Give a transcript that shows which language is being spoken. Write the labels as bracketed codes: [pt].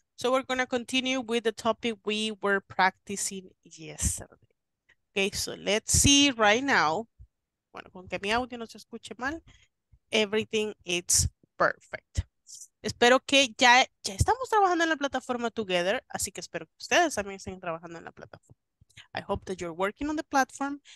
[en] So we're going to continue with the topic we were practicing yesterday. Ok, so let's see right now. [es] Bueno, con que mi audio no se escuche mal. [en] Everything is perfect. [es] Espero que ya estamos trabajando en la plataforma together. Así que espero que ustedes también estén trabajando en la plataforma. [en] I hope that you're working on the platform.